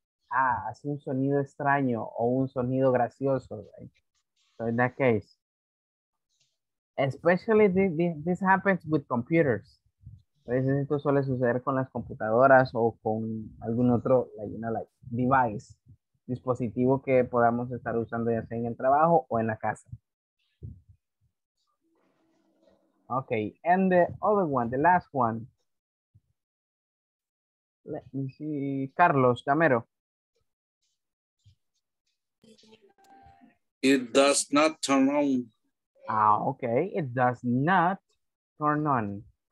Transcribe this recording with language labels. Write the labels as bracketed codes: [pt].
[es] Ah, hace un sonido extraño o un sonido gracioso, right? [en] So in that case, especially this happens with computers. [es] Esto suele suceder con las computadoras o con algún otro, [en] like, you know, like device. [es] Dispositivo que podamos estar usando ya sea en el trabajo o en la casa. [en] Okay, and the other one, the last one. Let me see, Carlos Camero. It does not turn on. Ah, okay, it does not turn on.